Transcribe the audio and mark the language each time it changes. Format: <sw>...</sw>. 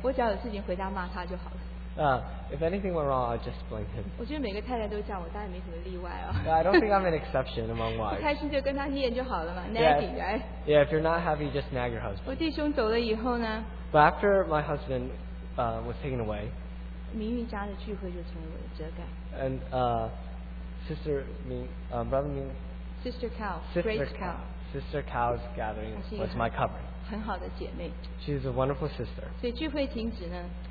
<zh>我只要有事情回家骂他就好了,</zh> <en>if anything went wrong, I'd just blame him.</en> <zh>我觉得每个太太都这样,</zh> <en>I don't think I'm an exception among wives.</en> <zh>不开心就跟他念就好了嘛,</zh> <en>nagging, right? Yeah, if you're not happy, just nag your husband.</en> <zh>我弟兄走了以后呢,</zh> <en>but after my husband was taken away,</en> <zh>明玉家的聚会就成为我的遮盖,</zh> <en>and Sister Ming, Brother Ming, Sister Cow, Sister Cow's gathering was my covering. She's a wonderful sister.</en> <zh>所以聚会停止呢,</zh>